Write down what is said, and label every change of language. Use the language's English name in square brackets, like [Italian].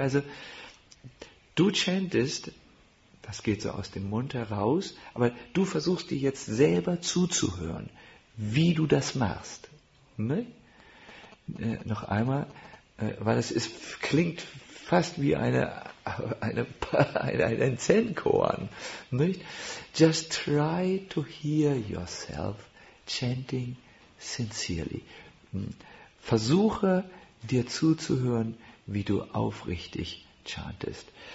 [German] Also, du chantest, das geht so aus dem Mund heraus, aber du versuchst dir jetzt selber zuzuhören, wie du das machst. Ne? Noch einmal, weil es ist, klingt fast wie ein Zen-Koan. Nicht? [English] Just try to hear yourself chanting sincerely. [German] Versuche dir zuzuhören, wie du aufrichtig chantest.